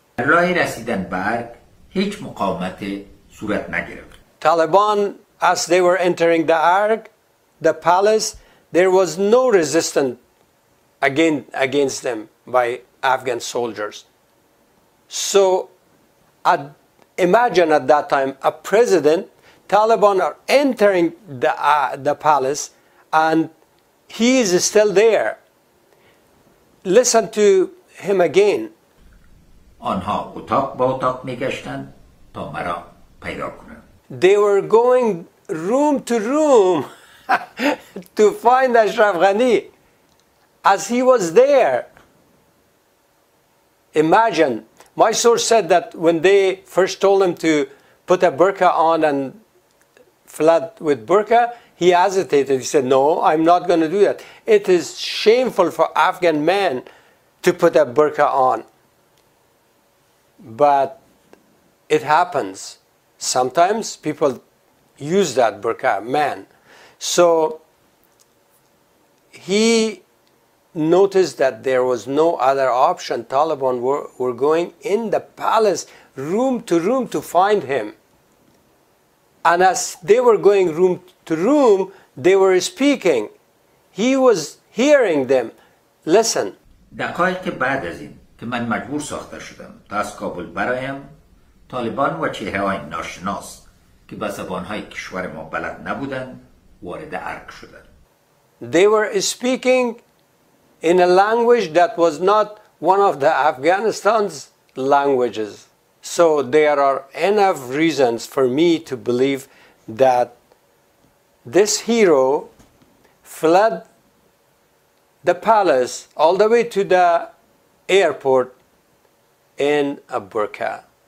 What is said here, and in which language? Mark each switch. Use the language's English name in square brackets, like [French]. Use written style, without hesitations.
[English] Taliban, as they were entering the Ark, the palace, there was no resistance against them by Afghan soldiers. So imagine at that time a president, Taliban are entering the palace and he is still there. Listen to him again. [Persian] آنها اتاق با اتاق میگشتند تا مرا پیدا کنم. [English] They were going room to room to find Ashraf Ghani as he was there. Imagine, my source said that when they first told him to put a burqa on and fled with burqa, he hesitated. He said, no, I'm not going to do that. It is shameful for Afghan men to put a burqa on. But it happens. Sometimes people use that burqa, men. So he noticed that there was no other option. Taliban were going in the palace room to room to find him. And as they were going room to room, they were speaking. He was hearing them. Listen. [Persian] دقایق بعد از این که من مجبور ساخته شدم تا از کابل برایم، طالبان و چهره های ناشناس که به زبان های کشور ما بلد نبودند وارد ارک شدند. [English] They were speaking in a language that was not one of the Afghanistan's languages. So there are enough reasons for me to believe that this hero fled the palace all the way to the airport in a burqa.